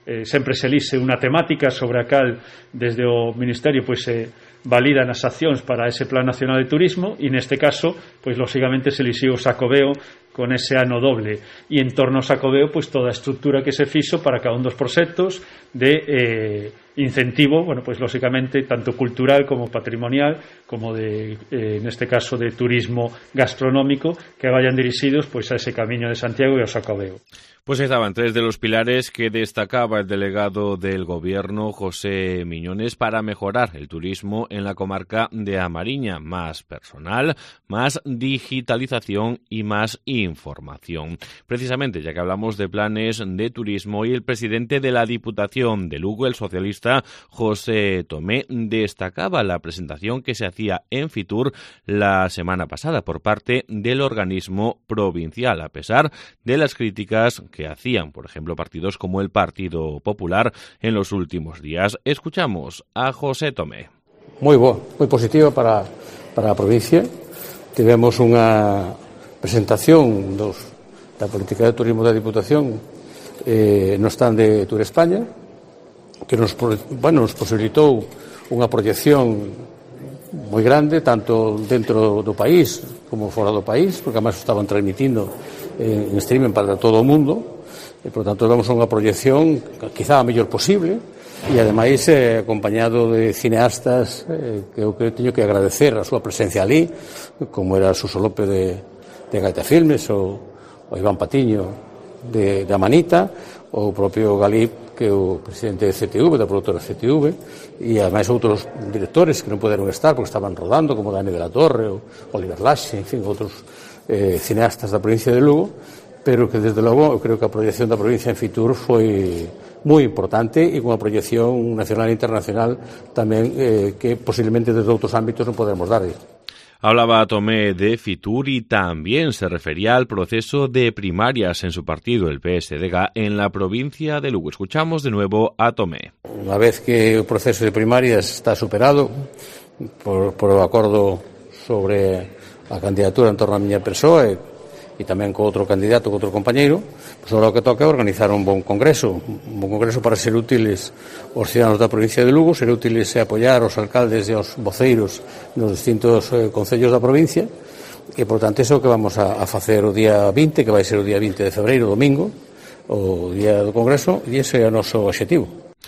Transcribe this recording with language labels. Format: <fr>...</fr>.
<gl>sempre se elixe unha temática sobre a cal desde o Ministerio pois se validan as accións para ese Plan Nacional de Turismo, e neste caso, pois lógicamente se elixiu o Sacobeo con ese ano doble, e en torno ao Sacobeo pois toda a estrutura que se fixo para cada un dos proxectos de incentivo, bueno, pois lógicamente tanto cultural como patrimonial, como de neste caso de turismo gastronómico, que vayan dirixidos pois a ese Camiño de Santiago e ao Sacobeo.</gl> <es>Pues estaban 3 de los pilares que destacaba el delegado del Gobierno, José Miñones, para mejorar el turismo en la comarca de A Mariña: más personal, más digitalización y más información. Precisamente, ya que hablamos de planes de turismo, y el presidente de la Diputación de Lugo, el socialista José Tomé, destacaba la presentación que se hacía en Fitur la semana pasada por parte del organismo provincial, a pesar de las críticas que hacían, por ejemplo, partidos como el Partido Popular en los últimos días. Escuchamos a José Tomé. Muy bueno, muy positivo</es> <gl>para a provincia. Tivemos unha presentación da política de turismo da Diputación no stand de Tour España, que nos posibilitou unha proyección moi grande, tanto dentro do país como fora do país, porque además estaban transmitindo en streaming para todo o mundo, e por tanto damos unha proyección quizá a mellor posible, e ademais acompañado de cineastas que eu creo teño que agradecer a súa presencia ali, como era Suso López de Gaita Filmes, ou Iván Patiño de Amanita, ou o propio Galip, que é o presidente de CTV, da productora CTV, e ademais outros directores que non puderon estar porque estaban rodando, como Dani de la Torre ou Oliver Lache, en fin, outros cineastas da provincia de Lugo, pero que desde logo eu creo que a proyección da provincia en Fitur foi moi importante, e con a proyección nacional e internacional tamén, que posiblemente desde outros ámbitos non podemos dar.</gl> <es>Hablaba Tomé de Fitur y también se refería al proceso de primarias en su partido, el PSDG, en la provincia de Lugo. Escuchamos de nuevo a Tomé. Una vez que el proceso de primarias está superado por el acuerdo sobre la candidatura en torno a</es> <gl>miña persoa</gl> <es>y también con otro candidato, con otro compañero, pues ahora lo que toca es organizar un buen congreso para ser útiles los ciudadanos de la provincia de Lugo, ser útiles y apoyar a los alcaldes y a los voceiros de los distintos concellos de la provincia, y por tanto eso que vamos a hacer el día 20, que va a ser el día 20 de febrero, domingo, o día del congreso, y ese es nuestro objetivo.</es>